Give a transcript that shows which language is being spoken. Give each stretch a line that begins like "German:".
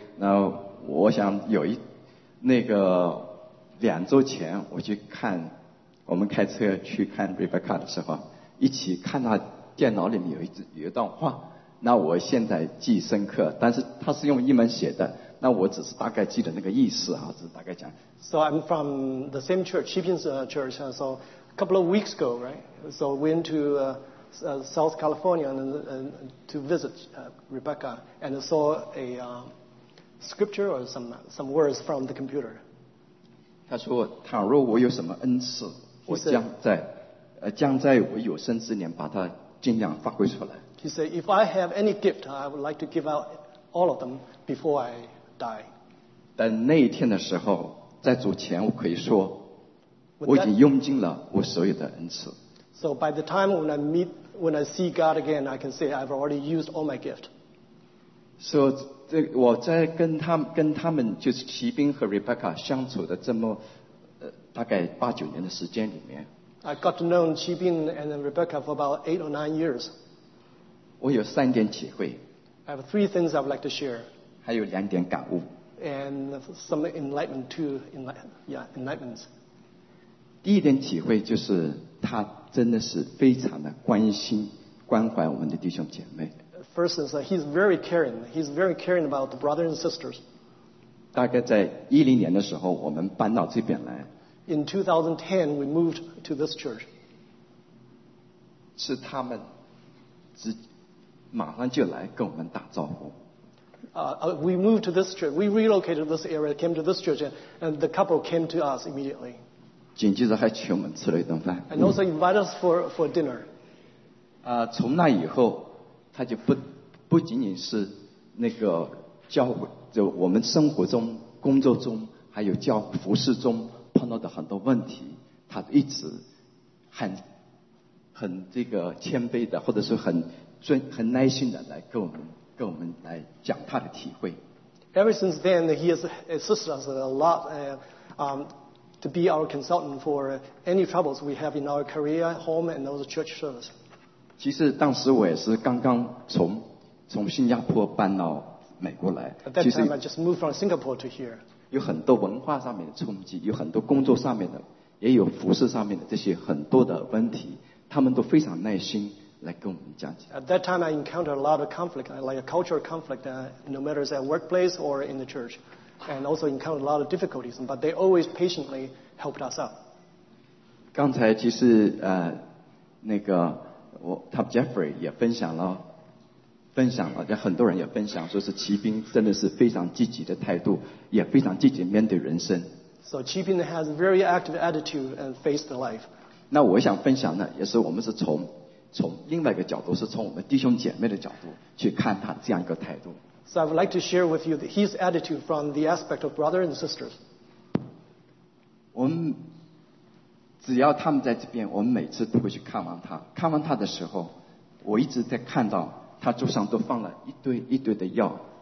Chinese: 那我想有一那个两周前，我去看我们开车去看 Rebecca 的时候，一起看到电脑里面有一段话。那我现在记忆深刻，但是它是用英文写的，那我只是大概记得那个意思啊，只是大概讲。
English: So I'm from the same church, Chipping's church. So a couple of weeks ago, right? So went to South California to visit Rebecca and saw a scripture or some words from the computer.
Chinese: 他说：“倘若我有什么恩赐，我将在我有生之年把它尽量发挥出来。”
English: He said, "If I have any gift, I would like to give out all of them before I die."
Chinese: 但那一天的时候，在主前我可以说，我已经用尽了我所有的恩赐。
English: So by the time when I see God again, I can say I've already used all my gift.
Chinese: So, 这我在跟他们就是骑兵和 Rebecca 相处的这么大概八九年的时间里面
English: ，I got to know Qi Bing and Rebecca for about 8 or 9 years.
Chinese: 我有三点体会
English: ，I have 3 things I would like to share.
Chinese: 还有两点感悟
English: ，and some enlightenment too. Enlightenment.
Chinese: 第一点体会就是他。真的是非常的关心关怀我们的弟兄姐妹
English: First is that he's very caring He's very caring about the brothers and sisters
Chinese: 大概在10年的时候我们搬到这边来
English: In 2010 we moved to this church
Chinese: 是他们马上就来跟我们打招呼
English: We moved to this church We relocated this area came to this church and the couple came to us immediately
Chinese: 紧接着还请我们吃了一顿饭
English: and also invited us for dinner
Chinese: 从那以后他就不仅仅是那个教会，就我们生活中工作中还有教服事中碰到的很多问题，他一直很这个谦卑的，或者是很耐心的来跟我们来讲他的体会。
English: Ever since then, he has assisted us a lot to be our consultant for any troubles we have in our career, home, and also church service.
Chinese: 其实当时我也是刚刚从新加坡搬到美国来。
English: At that time, I just moved from Singapore to here.
Chinese: 有很多文化上面的冲击，有很多工作上面的，也有服事上面的这些很多的问题，他们都非常耐心。
English: At that time, I encountered a lot of conflict, like a cultural conflict, no matter it's at workplace or in the church, and also encountered a lot of difficulties. But they always patiently helped us out.
Chinese: 刚才其实那个我 Top Jeffrey 也分享了，很多人也分享，说是骑兵真的是非常积极的态度，也非常积极面对人生。
English: So Qibing has a very active attitude and face the life.
Chinese: 那我想分享呢，也是我们是从另外一个角度，是从我们弟兄姐妹的角度去看他这样一个态度。
English: So I would like to share with you his attitude from the aspect of brothers and sisters.
Chinese: 我们只要他们在这边，我们每次都会去看望他。看望他的时候，我一直在看到他桌上都放了一堆一堆的药。